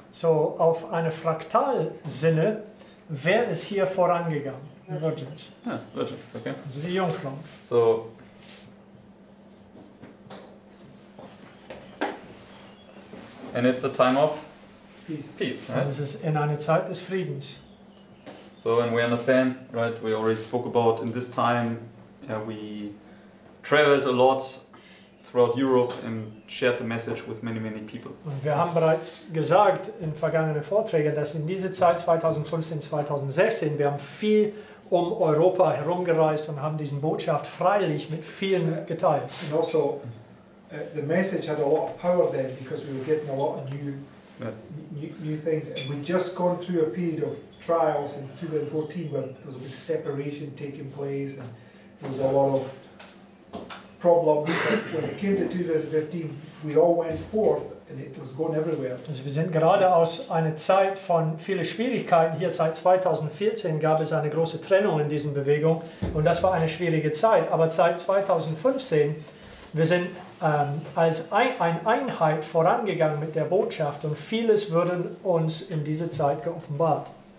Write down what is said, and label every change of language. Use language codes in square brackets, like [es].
[de] So, auf eine Fraktalsinne, wer ist hier vorangegangen? [en] The virgins. Yes, virgins. Okay. [de] Also die Jungfrauen. [en] So. And it's a time of peace. Peace, right? [de] Und es ist in einer Zeit des Friedens. [en] So, and we understand, right? We already spoke about in this time, we traveled a lot throughout Europe and shared the message with many, many people. [de] Und wir haben bereits gesagt in vergangenen Vorträgen, dass in dieser Zeit 2015, 2016, wir haben viel um Europa herumgereist und haben diese Botschaft freilich mit vielen geteilt. [en] And also, the message had a lot of power then because we were getting a lot of new things, and we'd just gone through a period of trials since 2014 where there was a big separation taking place and there was a lot of problems. But when it came to 2015, we all went forth and it was going everywhere. [de] Also wir sind gerade aus einer Zeit von vielen Schwierigkeiten hier. Seit 2014 gab es eine große Trennung in diesen Bewegungen, und das war eine schwierige Zeit. Aber seit 2015, wir sind als eine Einheit vorangegangen mit der Botschaft, und vieles würde uns in dieser Zeit geoffenbart.